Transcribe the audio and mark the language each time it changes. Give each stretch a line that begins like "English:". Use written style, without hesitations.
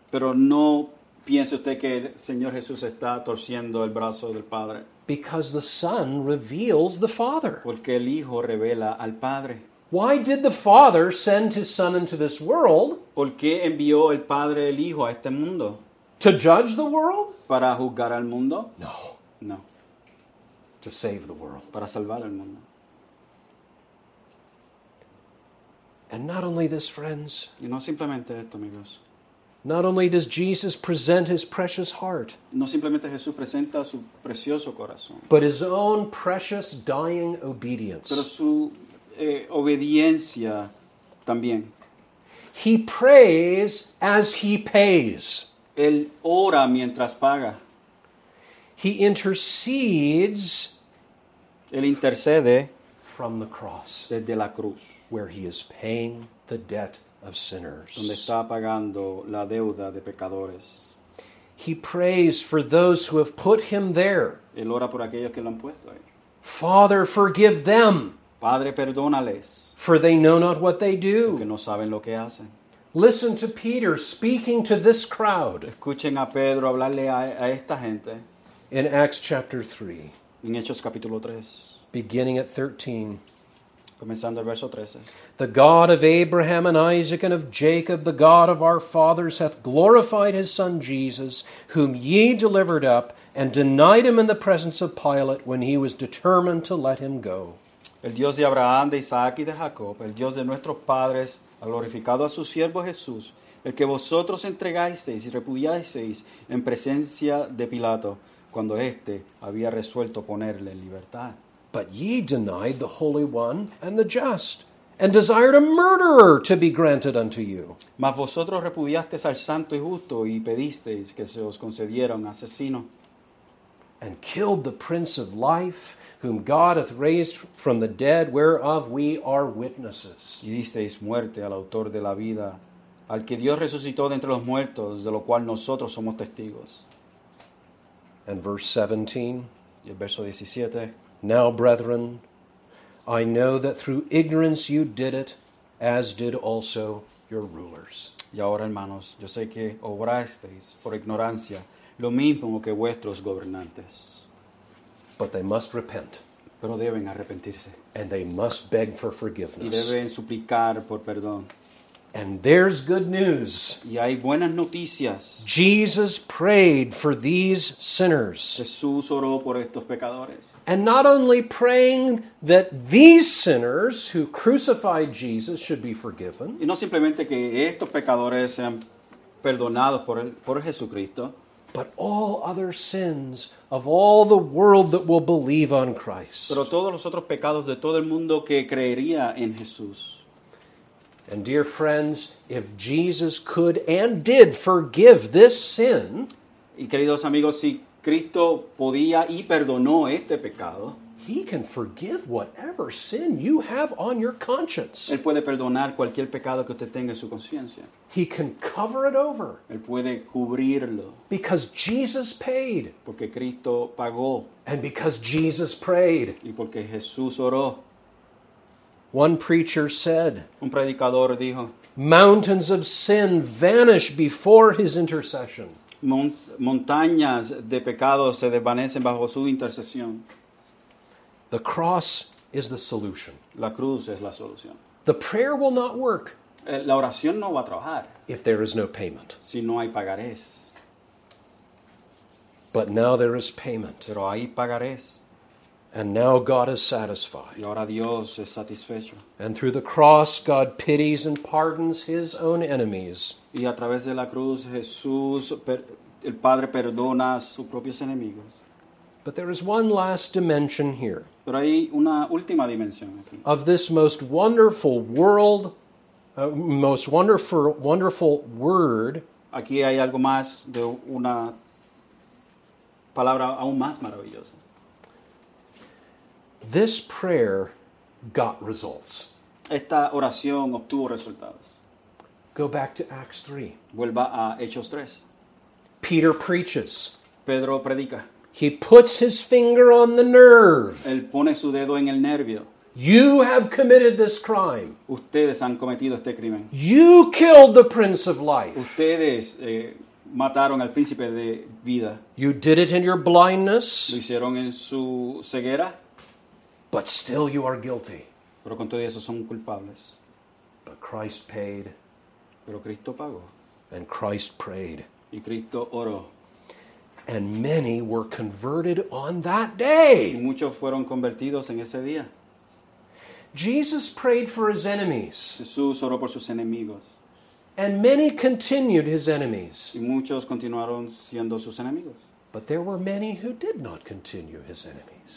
Spanish: Pero no piense usted que el Señor Jesús está torciendo el brazo del Padre.
English: Because the Son reveals the Father.
Spanish: Porque el Hijo revela al Padre.
English: Why did the Father send his Son into this world?
Spanish: ¿Por qué envió el Padre el Hijo a este mundo?
English: To judge the world?
Spanish: ¿Para juzgar al mundo?
English: No.
Spanish: No.
English: To save the world.
Spanish: Para salvar al mundo.
English: And not only this, friends.
Spanish: Y no simplemente esto, amigos.
English: Not only does Jesus present his precious heart,
Spanish: no simplemente Jesús presenta su precioso corazón,
English: but his own precious dying obedience.
Spanish: Pero su obediencia también.
English: He prays as he pays.
Spanish: Él ora mientras paga.
English: He intercedes.
Spanish: Él intercede
English: from the cross,
Spanish: desde la cruz,
English: where he is paying the debt of sinners.
Spanish: Donde está pagando la deuda de pecadores.
English: He prays for those who have put him there.
Spanish: Él ora por aquellos que lo han puesto ahí.
English: Father, forgive them.
Spanish: Padre, perdónales.
English: For they know not what they do.
Spanish: Porque no saben lo que hacen.
English: Listen to Peter speaking to this crowd.
Spanish: Escuchen a Pedro hablarle a esta gente.
English: In Acts chapter 3.
Spanish: En Hechos capítulo 3.
English: Beginning at 13.
Spanish: Comenzando el verso 13.
English: The God of Abraham and Isaac and of Jacob, the God of our fathers, hath glorified his son Jesus, whom ye delivered up, and denied him in the presence of Pilate when he was determined to let him go.
Spanish: El Dios de Abraham, de Isaac y de Jacob, el Dios de nuestros padres, ha glorificado a su siervo Jesús, el que vosotros entregasteis y repudiasteis en presencia de Pilato, cuando éste había resuelto ponerle en libertad.
English: But ye denied the Holy One and the Just, and desired a murderer to be granted unto you.
Spanish: Mas vosotros repudiasteis al Santo y Justo, y pedisteis que se os concediera un asesino.
English: And killed the Prince of Life, whom God hath raised from the dead, whereof we are witnesses.
Spanish: Y disteis muerte al autor de la vida, al que Dios resucitó de entre los muertos, de lo cual nosotros somos testigos.
English: And verse 17.
Spanish: Y el verso 17.
English: Now, brethren, I know that through ignorance you did it, as did also your rulers.
Spanish: Y ahora, hermanos, yo sé que obrasteis por ignorancia, lo mismo que vuestros gobernantes.
English: But they must repent.
Spanish: Pero deben arrepentirse.
English: And they must beg for forgiveness.
Spanish: Y deben suplicar por perdón.
English: And there's good news.
Spanish: Y hay buenas noticias.
English: Jesus prayed for these sinners.
Spanish: Jesús oró por estos pecadores.
English: And not only praying that these sinners who crucified Jesus should be forgiven.
Spanish: Y no simplemente que estos pecadores sean perdonados por Jesucristo.
English: But all other sins of all the world that will believe on Christ.
Spanish: Pero todos los otros pecados de todo el mundo que creería en Jesús.
English: And dear friends, if Jesus could and did forgive this sin,
Spanish: y queridos amigos, si Cristo podía y perdonó este pecado,
English: he can forgive whatever sin you have on your conscience.
Spanish: Él puede perdonar cualquier pecado que usted tenga en su conciencia.
English: He can cover it over.
Spanish: Él puede cubrirlo.
English: Because Jesus paid.
Spanish: Porque Cristo pagó.
English: And because Jesus prayed.
Spanish: Y porque Jesús oró.
English: One preacher said,
Spanish: un predicador dijo,
English: mountains of sin vanish before his intercession.
Spanish: Montañas de pecados se desvanecen bajo su intercesión.
English: The cross is the solution.
Spanish: La cruz es la solución.
English: The prayer will not work.
Spanish: La oración no va a trabajar.
English: If there is no payment.
Spanish: Si no hay pagarés.
English: But now there is payment.
Spanish: Pero hay pagarés.
English: And now God is satisfied.
Spanish: Y ahora Dios es satisfecho.
English: And through the cross, God pities and pardons his own enemies.
Spanish: Y a través de la cruz, Jesús, el Padre perdona a sus propios enemigos.
English: But there is one last dimension here.
Spanish: Pero hay una última dimensión aquí.
English: Of this most wonderful world, most wonderful word.
Spanish: Aquí hay algo más de una palabra aún más maravillosa.
English: This prayer got results.
Spanish: Esta oración obtuvo resultados.
English: Go back to Acts 3.
Spanish: Vuelva a Hechos 3.
English: Peter preaches.
Spanish: Pedro predica.
English: He puts his finger on the nerve.
Spanish: Él pone su dedo en el nervio.
English: You have committed this crime.
Spanish: Ustedes han cometido este crimen.
English: You killed the Prince of Life.
Spanish: Ustedes mataron al Príncipe de Vida.
English: You did it in your blindness.
Spanish: Lo hicieron en su ceguera.
English: But still you are guilty.
Spanish: Pero con todo eso son culpables.
English: But Christ paid.
Spanish: Pero Cristo pagó.
English: And Christ prayed.
Spanish: Y Cristo oró.
English: And many were converted on that day.
Spanish: Y muchos fueron convertidos en ese día.
English: Jesus prayed for his enemies.
Spanish: Jesús oró por sus enemigos.
English: And many continued his enemies.
Spanish: Y muchos continuaron siendo sus enemigos.
English: But there were many who did not continue his enemies.